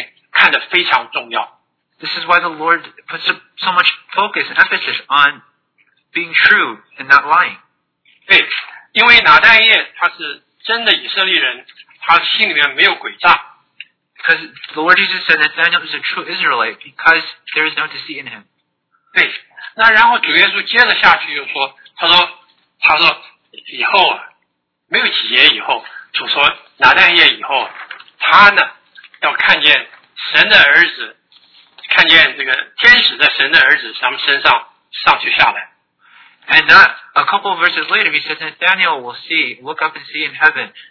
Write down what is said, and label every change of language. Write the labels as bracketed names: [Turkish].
[Chinese] 对，那弟兄姊妹啊，所以这是我们主耶稣把这个诡诈这件事情，把诚实这件事情看得非常重要。 [English] This is why the Lord puts so much focus and emphasis on being true and not lying. [Chinese] 对，因为拿单耶他是真的以色列人。他心里面没有诡诈, [English] because the Lord Jesus said that Daniel is a true Israelite because there is no deceit in him. [Chinese] 对，那然后主耶稣接着下去又说，他说，以后啊，没有几夜以后，主说拿单耶以后，他呢要看见神的儿子，看见这个天使在神的儿子上身上上去下来。 [English] And a couple of verses later, he says that Daniel will see, look up and see in heaven.